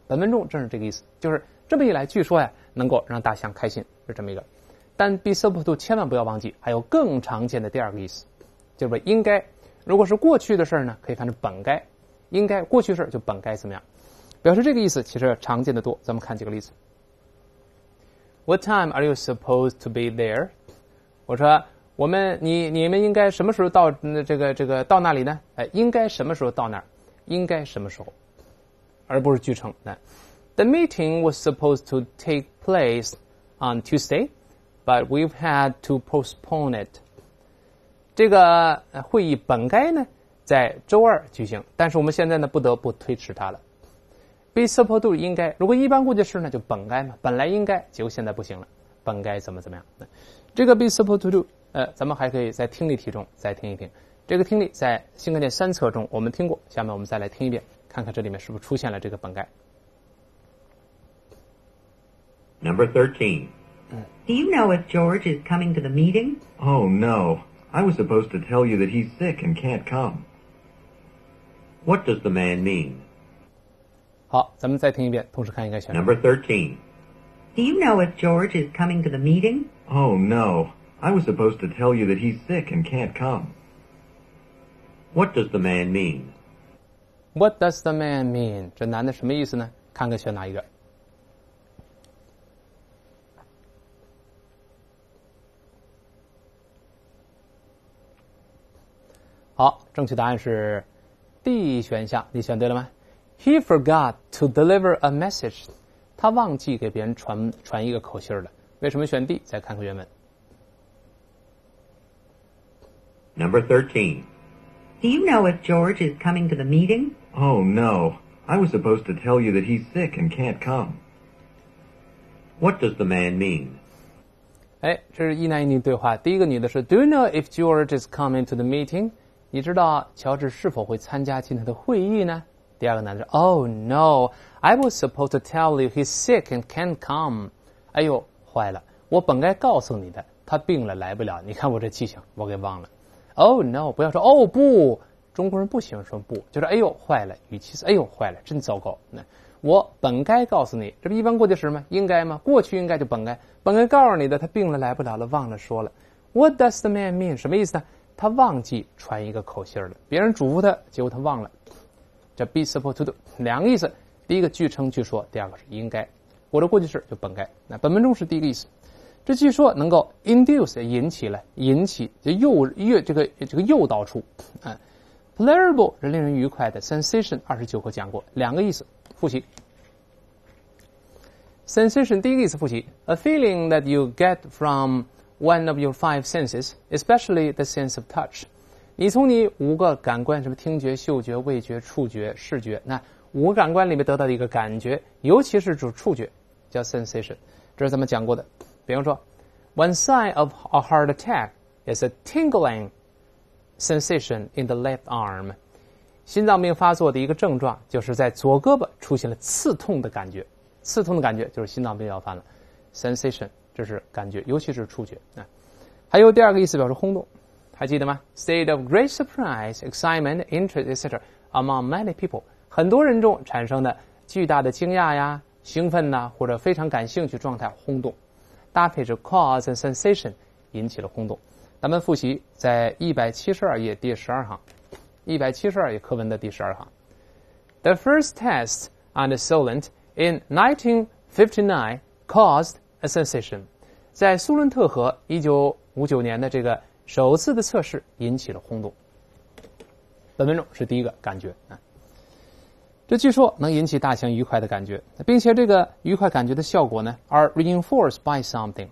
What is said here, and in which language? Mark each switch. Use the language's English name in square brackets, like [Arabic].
[Chinese] 本文中正是这个意思，就是这么一来，据说呀能够让大象开心，是这么一个。但 be supposed to 千万不要忘记还有更常见的第二个意思，就是应该。如果是过去的事呢，可以翻成本该，应该过去事就本该怎么样，表示这个意思其实常见的多。咱们看几个例子。 [English] What time are you supposed to be there? [Chinese] 我说我们你们应该什么时候到这个到那里呢？应该什么时候到那儿？应该什么时候？而不是据称。那 [English] The meeting was supposed to take place on Tuesday, but we've had to postpone it. [Chinese] 这个会议本该呢在周二举行，但是我们现在呢不得不推迟它了。 Be supposed to 应该，如果一般过去式呢就本该嘛，本来应该，结果现在不行了，本该怎么怎么样。这个 [English] be supposed to do。 [Chinese] 咱们还可以在听力题中再听一听。这个听力在新概念三册中我们听过，下面我们再来听一遍，看看这里面是不是出现了这个本该。 [English] Number 13. Do you know if George is coming to the meeting? Oh, no. I was supposed to tell you that he's sick and can't come. What does the man mean? [Chinese] 好，咱们再听一遍，同时看一个选项。 [English] Number 13. Do you know if George is coming to the meeting? Oh, no. I was supposed to tell you that he's sick and can't come. What does the man mean? What does the man mean? [Chinese] 这男的什么意思呢？看看选哪一个。好，正确答案是 D 选项，你选对了吗？ [English] He forgot to deliver a message. [Chinese] 他忘记给别人传一个口信了。为什么选 D? 再看看原文。 [English] Number 13. Do you know if George is coming to the meeting? Oh, no. I was supposed to tell you that he's sick and can't come. What does the man mean? [Chinese] 哎，这是一男一女对话。第一个女的是 [English] Do you know if George is coming to the meeting? [Chinese] 你知道乔治是否会参加今天的会议呢？第二个男的是 [English] Oh, no. I was supposed to tell you he's sick and can't come. [Chinese] 哎呦，坏了。我本该告诉你的，他病了来不了。你看我这记性，我给忘了。 [English] Oh no, [Chinese] 不要说 Oh 不，中国人不喜欢说不，就是哎呦坏了，语气是哎呦坏了，真糟糕。那我本该告诉你，这不一般过去时吗？应该吗？过去应该就本该告诉你的，他病了来不了了，忘了说了。 [English] What does the man mean? [Chinese] 什么意思呢？他忘记传一个口信了，别人嘱咐他，结果他忘了。这 [English] be supposed to do [Chinese] 两个意思，第一个据称据说，第二个是应该。我的过去式就本该。那本文中是第一个意思。这据说能够 induce 引起了引起就诱这个诱导出啊 pleasurable 是令人愉快的 sensation 29课讲过两个意思复习 [English] Sensation [Chinese] 第一个意思复习 [English] A feeling that you get from one of your five senses, especially the sense of touch. [Chinese] 你从你五个感官，什么听觉、嗅觉、味觉、触觉、视觉，那五个感官里面得到的一个感觉，尤其是指触觉，叫 sensation。这是咱们讲过的。比方说 [English] ,one sign of a heart attack is a tingling sensation in the left arm. [Chinese] 心脏病发作的一个症状就是在左胳膊出现了刺痛的感觉。刺痛的感觉就是心脏病要犯了。 sensation, 这是感觉，尤其是触觉。还有第二个意思表示轰动。还记得吗 [English] ?state of great surprise, excitement, interest, etc. among many people. [Chinese] 很多人中产生的巨大的惊讶呀兴奋呐、或者非常感兴趣状态轰动。搭配着 [English] cause and sensation, [Chinese] 引起了轰动。咱们复习在172页第12行。 172页课文的第12行。 [English] The first test on the Solent in 1959 caused a sensation. [Chinese] 在苏伦特河1959年的这个首次的测试引起了轰动。本文中是第一个感觉。这据说能引起大象愉快的感觉，并且这个愉快感觉的效果呢 [English] are reinforced by something.